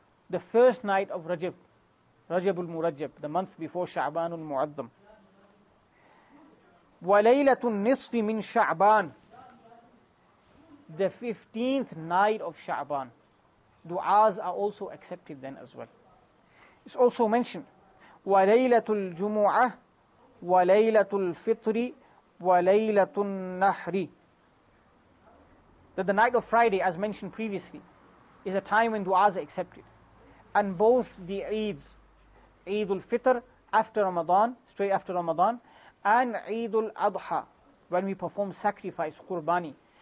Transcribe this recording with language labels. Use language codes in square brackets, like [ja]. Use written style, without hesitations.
[en] The first night of Rajab, Rajab al-Murajab, the month before Sha'ban al-Mu'azzam. [ar] وَلَيْلَةٌ نِصْفِ مِنْ [en] Sha'ban, the 15th night of Sha'ban. Du'as are also accepted then as well. It's also mentioned, [ar] وَلَيْلَةُ الْجُمُعَةِ وَلَيْلَةُ الْفِطْرِ وَلَيْلَةُ النَّحْرِ. [en] That the night of Friday, as mentioned previously, is a time when du'as are accepted. And both the Eids, Eid al-Fitr after Ramadan, straight after Ramadan, and Eid al-Adha, when we perform sacrifice, Qurbani.